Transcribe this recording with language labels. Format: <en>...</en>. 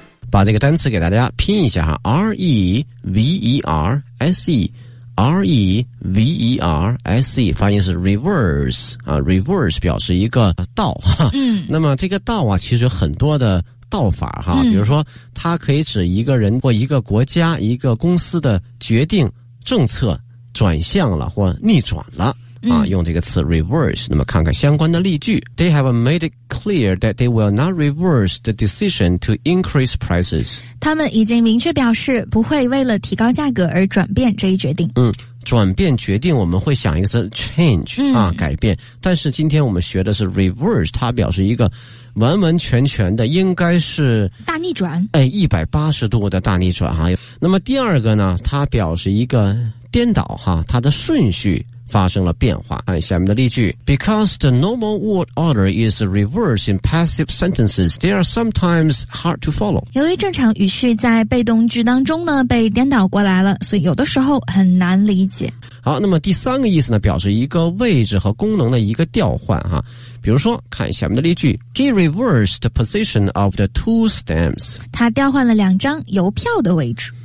<zh>把这个单词给大家拼一下哈 ,reverse,reverse, 发音是 reverse, 啊 reverse 表示一个倒哈，嗯。那么这个倒啊其实有很多的道法哈，嗯，比如说它可以指一个人或一个国家一个公司的决定政策转向了或逆转了。啊，用这个词 reverse。那么看看相关的例句</zh> <en>，They have made it clear that they will not reverse the decision to increase prices。</en> <zh>他们已经明确表示不会为了提高价格而转变这一决定。嗯，转变决定我们会想一个词 change，嗯，啊，改变。但是今天我们学的是 reverse， 它表示一个完完全全的，应该是大逆转，哎，180度的大逆转哈，啊。那么第二个呢，它表示一个颠倒哈，它的顺序发生了变化。看下面的例句</zh> <en>,Because the normal word order is reversed in passive sentences, they are sometimes hard to follow.</en> <zh>由于正常语序在被动句当中呢被颠倒过来了，所以有的时候很难理解。好，那么第三个意思呢表示一个位置和功能的一个调换哈。比如说看下面的例句</zh> <en>,He reversed the position of the two stamps.</en> <zh>他调换了两张邮票的位置。</zh>